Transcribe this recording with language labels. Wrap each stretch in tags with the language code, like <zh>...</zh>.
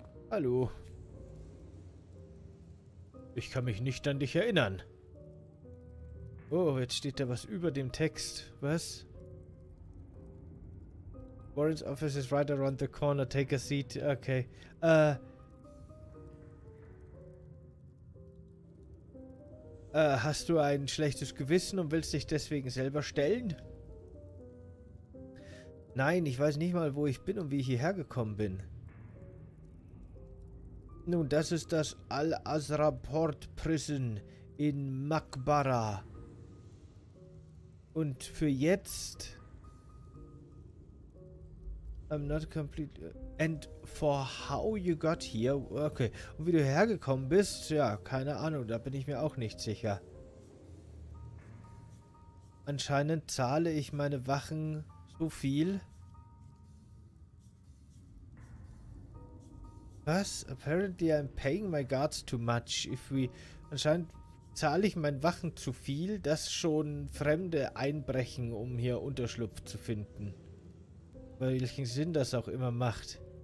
<de>Hallo. Ich kann mich nicht an dich erinnern. Oh, jetzt steht da was über dem Text. Was?</de> <en>Warren's office is right around the corner. Take a seat. Okay.</en> <de>Hast du ein schlechtes Gewissen und willst dich deswegen selber stellen? Nein, ich weiß nicht mal, wo ich bin und wie ich hierher gekommen bin. Nun, das ist das Al-Azra Port Prison in Makbara. Und für jetzt...</de> <en>I'm not completely... And for how you got here? Okay.</en> <de>Und wie du hergekommen bist? Ja, keine Ahnung. Da bin ich mir auch nicht sicher. Anscheinend zahle ich meine Wachen so viel. Was?</de> <en>Apparently I'm paying my guards too much. If we...</en> <de>Anscheinend zahle ich meinen Wachen zu viel, dass schon Fremde einbrechen, um hier Unterschlupf zu finden. Welchen Sinn das auch immer macht.</de>